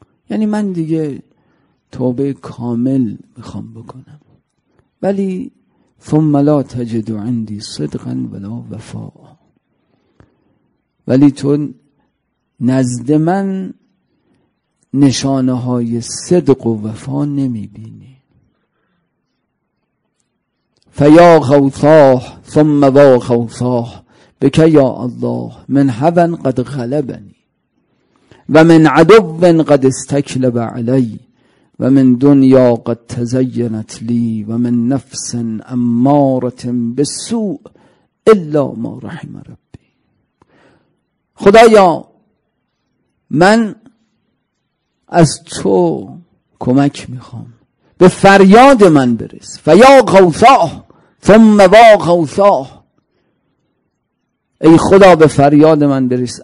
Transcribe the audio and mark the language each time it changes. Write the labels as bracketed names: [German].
[Persian] یعنی من دیگه توبه کامل میخوام بکنم، ولی [Arabic] ثم لا تجد عندي صدقا ولا وفا، [Persian] ولی تو نزد من نشانه های صدق و وفا نمیبینی. [Arabic] فیا غوثاه ثم وا غوثاه بك يا الله من هون قد غلبني ومن عدو قد استكلب علي ومن دنيا قد تزينت لي ومن نفس أمارة بالسوء إلا ما رحم ربي. [Persian] خدایا، من از تو کمک میخوام، به فریاد من برس. [Arabic] فيا غوثاه ثم وا غوثاه، [Persian] ای خدا به فریاد من برس.